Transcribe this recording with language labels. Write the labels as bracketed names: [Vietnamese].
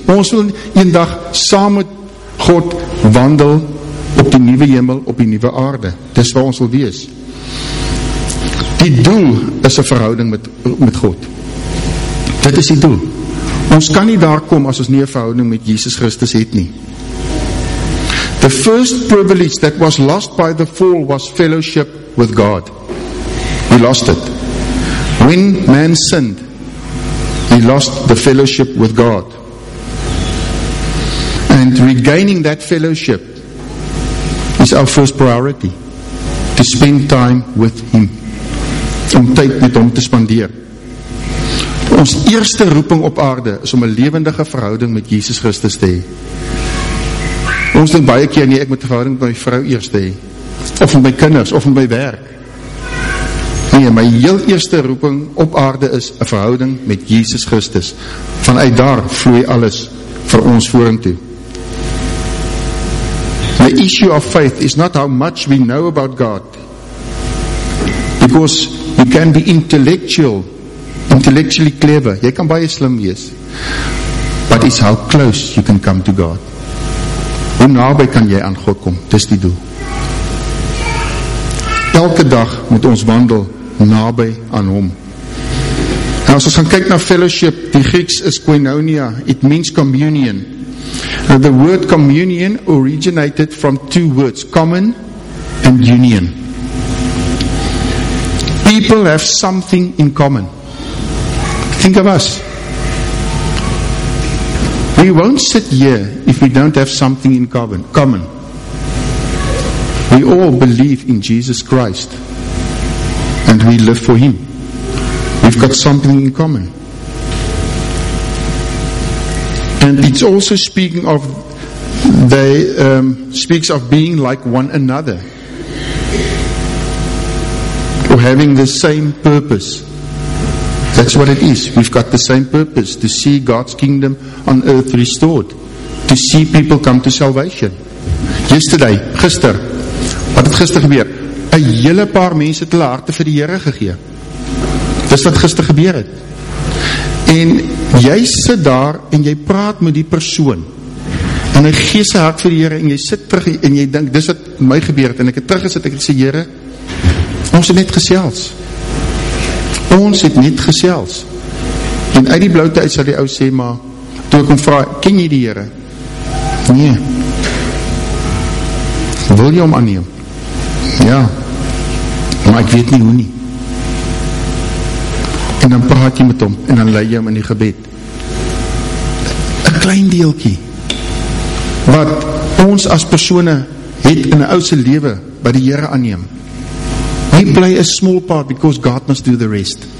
[Afrikaans] Ons wil eendag saam met God wandel op die nuwe hemel, op die nuwe aarde. Dis waar ons wil wees. Die doel is 'n verhouding met God. Dit is die doel. Ons kan nie daar kom as ons nie 'n verhouding met Jesus Christus het nie. [English] The first privilege that was lost by the fall was fellowship with God. We lost it. When man sinned, he lost the fellowship with God. And regaining that fellowship is our first priority. To spend time with him. [Afrikaans] Om tyd met hom te spandeer. Ons eerste roeping op aarde is om 'n lewendige verhouding met Jesus Christus te hê. Ons dink baie keer nie, ek moet 'n verhouding met my vrou eers hê. Of met my kinders, of met my werk. Nee, my heel eerste roeping op aarde is 'n verhouding met Jesus Christus. Vanuit daar vloei alles vir ons vorentoe. [English] The issue of faith is not how much we know about God. Because you can be intellectually clever. [Afrikaans] Jy kan baie slim wees. [English] But it's how close you can come to God. [Afrikaans] Hoe naby kan jy aan God kom? Dis die doel. Elke dag moet ons wandel naby aan hom. En as ons gaan kyk na fellowship, die Grieks is koinonia, [English] it means communion. Now the word communion originated from two words, common and union. People have something in common. Think of us. We won't sit here if we don't have something in common. We all believe in Jesus Christ. And we live for him. We've got something in common. And it's also speaking of They speaks of being like one another, or having the same purpose. That's what it is. We've got the same purpose, to see God's kingdom on earth restored, to see people come to salvation. [Afrikaans] Yesterday, gister, wat het gister gebeur? 'N hele paar mense het hulle harte vir die Here gegee. Dis wat gister gebeur het. En jy sit daar en jy praat met die persoon en hy gee sy hart vir die Here en jy sit terug en jy dink, dis wat my gebeur het, en ek het teruggesit, ek het sê, Here, ons het net gesels. En uit die bloute uit sal die ou sê, maar toe ek hom vra, ken jy die Here? Nee. Wil jy hom aanneem? Ja. Maar ek weet nie hoe nie. En dan praat jy met hom en dan lei jy hom in die gebed. 'N klein deeltjie wat ons as persone het in 'n ou se lewe by die Here aanneem. [English] We play a small part because God must do the rest.